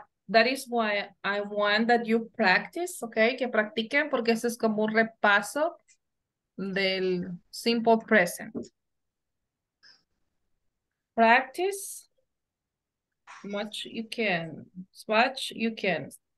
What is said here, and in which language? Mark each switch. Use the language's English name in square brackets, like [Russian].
[English] That is why I want that you practice, okay? [Spanish] Que practiquen, porque eso es como un repaso del simple present. [English] Practice much you can, as much you can.